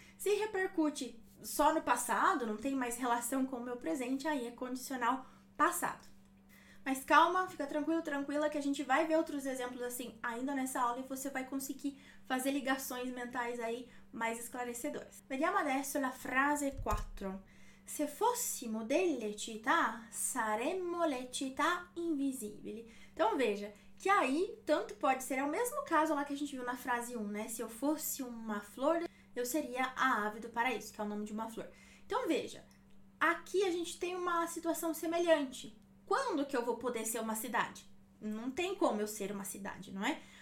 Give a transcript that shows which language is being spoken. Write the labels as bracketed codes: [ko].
[pt] Se repercute só no passado, não tem mais relação com o meu presente, aí é condicional passado. Mas calma, fica tranquilo, tranquila, que a gente vai ver outros exemplos assim ainda nessa aula e você vai conseguir fazer ligações mentais aí mais esclarecedoras. [it] Vediamo adesso la frase 4. Se fossimo delle città, saremmo le città invisibili. [pt] Então veja que aí tanto pode ser, é o mesmo caso lá que a gente viu na frase 1, né? Se eu fosse uma flor, eu seria a ave do paraíso, que é o nome de uma flor. Então veja, aqui a gente tem uma situação semelhante. Quando que eu vou poder ser uma cidade? Não tem como eu ser uma cidade, não é?